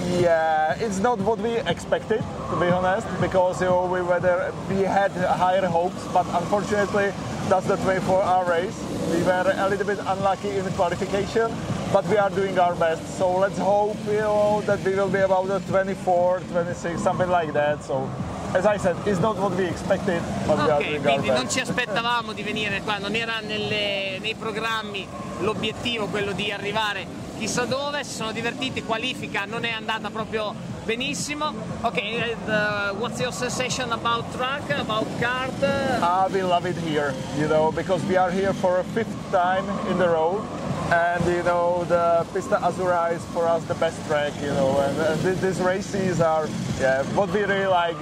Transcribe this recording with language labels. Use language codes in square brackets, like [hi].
[en] Yeah, it's not what we expected, to be honest, because we had higher hopes, but unfortunately, that's the 24-hour race. We were a little bit unlucky in qualification. But we are doing our best, so let's hope, you know, that we will be about 24, 26, something like that. So, as I said, it's not what we expected, but okay, we are doing our best. [it] Quindi non ci aspettavamo di venire qua, non era nei programmi l'obiettivo quello di arrivare chissà dove. Si sono divertiti, qualifica non è andata proprio benissimo. [en] Okay, what's your sensation about track, about kart? We love it here, you know, because we are here for a 5th time in a row. And you know, the Pista Azura is for us the best track, you know, and these races are, yeah, what we really like.